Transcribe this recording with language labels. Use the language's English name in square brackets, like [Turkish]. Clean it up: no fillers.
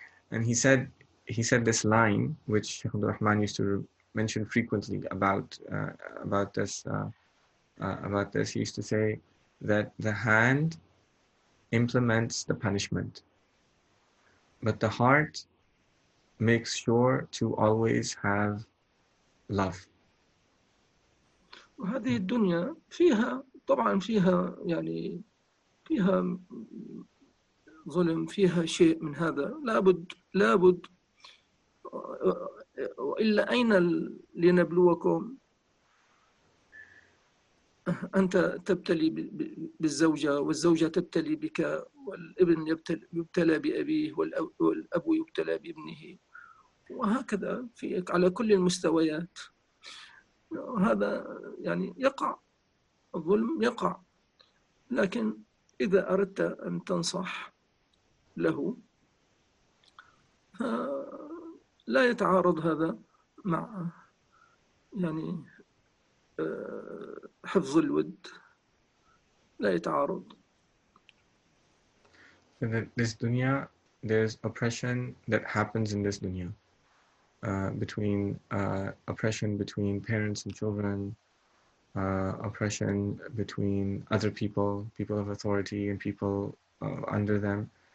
[English] And he said this line, which Sheikh Abdul Rahman used to mention frequently about this. He used to say that the hand implements the punishment, but the heart makes sure to always have love. [Arabic] وهذه الدنيا فيها طبعا فيها يعني فيها ظلم فيها شيء من هذا، لابد لابد، وإلا أين لنبلوكم؟ أنت تبتلي بالزوجة والزوجة تبتلي بك، والابن يبتلى بأبيه، والأب يبتلى بابنه، وهكذا في على كل المستويات. هذا يعني يقع الظلم يقع، لكن إذا أردت أن تنصح له لا يتعارض هذا مع يعني حفظ الود، لا يتعارض. [English] In this dunya, there's oppression that happens in this dunya, between oppression between parents and children, oppression between other people, people of authority and people under them.